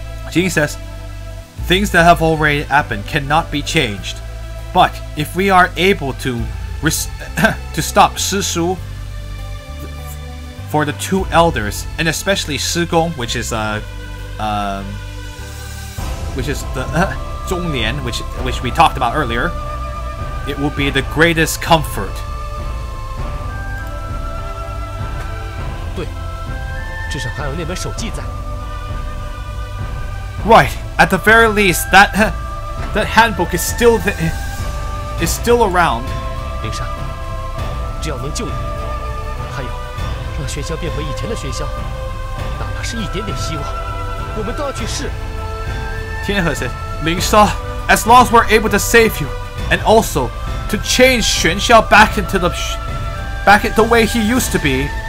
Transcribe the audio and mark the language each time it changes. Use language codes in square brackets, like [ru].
[en] Jing says, things that have already happened cannot be changed, but if we are able to to stop Shi Shu for the two elders, and especially Shi Gong, which is the Zhong Lian, which we talked about earlier, it will be the greatest comfort. [zh] 至少还有那本手记在。 [en] Right, at the very least, that, that handbook is still the, is still around. [zh] 林莎，只要能救你，还有让喧嚣变回以前的喧嚣，哪怕是一点点希望，我们都要去试。 [en] 天和神，林莎， as long as we're able to save you, and also to change 玄霄 back into the, back at the way he used to be.